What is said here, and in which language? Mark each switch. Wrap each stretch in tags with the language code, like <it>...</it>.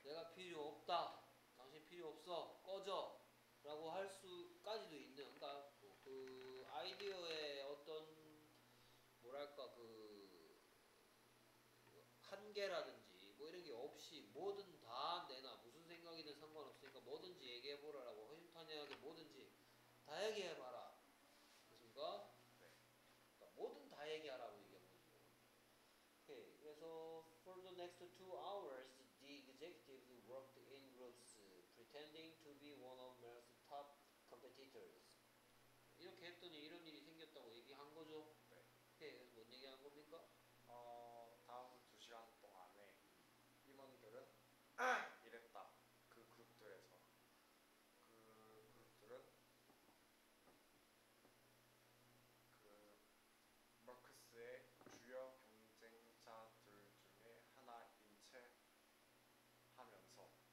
<ko>내가 필요 없다 당신 필요 없어 꺼져 라고 할 수까지도 있는 그러니까 그 아이디어의 어떤 뭐랄까 그 한계라든지 뭐 이런 게 없이 뭐든 다 내놔 무슨 생각이든 상관없으니까 뭐든지 얘기해 보라 라고 허심탄회하게 뭐든지 다 얘기해 봐라 그렇습니까? 그러니까 뭐든 다 얘기하라고 얘기하고 Okay. 그래서</ko> <en>for the next 2 hours, the executives worked in groups, pretending to be one of Mel's top competitors.</en> <ko>이렇게 했더니 이런 일이 생겼다고 얘기한 거죠? 네.</ko> <en>Okay.</en> <ko>그래서 뭔 얘기한 겁니까? 다음 2시간 동안에 임원들은 이랬다. 그 그룹들에서 그 그룹들은 그 머크스의 주요 자들 중에 하나인 채 하면서</ko>